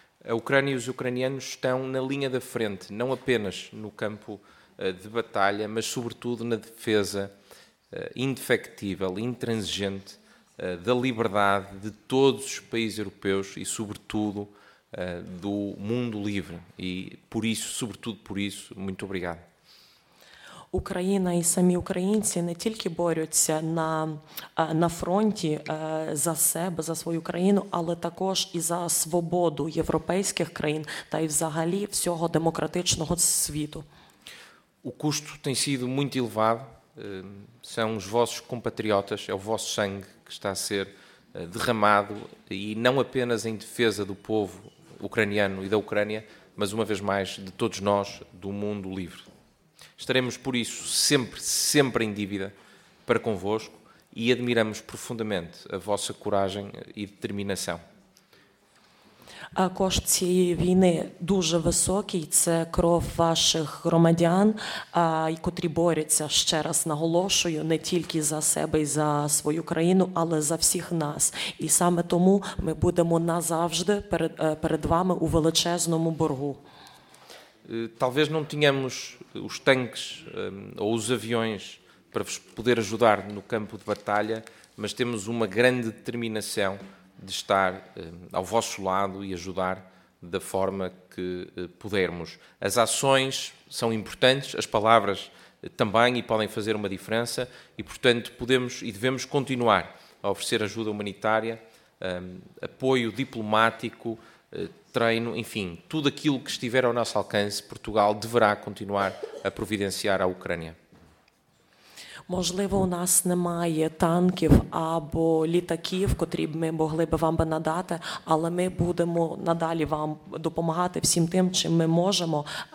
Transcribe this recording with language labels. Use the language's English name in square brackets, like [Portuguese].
[Portuguese] A Ucrânia e os ucranianos estão na linha da frente, não apenas no campo de batalha, mas sobretudo na defesa indefectível, intransigente, da liberdade de todos os países europeus e, sobretudo, do mundo livre. E, por isso, sobretudo por isso, muito obrigado. [Ukrainian] Україна і самі українці не тільки борються на фронті за себе, за свою країну, але також і за свободу європейських країн та і взагалі всього демократичного світу. [Portuguese] O custo tem sido muito elevado. São os vossos compatriotas, é o vosso sangue que está a ser derramado e não apenas em defesa do povo ucraniano e da Ucrânia, mas uma vez mais de todos nós, do mundo livre. Estaremos, por isso, sempre, sempre em dívida para convosco e admiramos profundamente a vossa coragem e determinação. [Ukrainian] A кошт цієї війни дуже високий, це кров ваших громадян, котрі борються, ще раз наголошую, не тільки за себе і за свою країну, але за всіх нас. І саме тому ми будемо назавжди перед вами у величезному боргу. [Portuguese] Talvez não tenhamos os tanques ou os aviões para vos poder ajudar no campo de batalha, mas temos uma grande determinação de estar ao vosso lado e ajudar da forma que pudermos. As ações são importantes, as palavras também, e podem fazer uma diferença, e portanto podemos e devemos continuar a oferecer ajuda humanitária, apoio diplomático, treino, enfim, tudo aquilo que estiver ao nosso alcance, Portugal deverá continuar a providenciar à Ucrânia. [Ukrainian] Можливо, у нас немає танків або літаків, котрі ми могли б вам надати, але ми будемо надалі вам допомагати всім тим, чим ми можемо.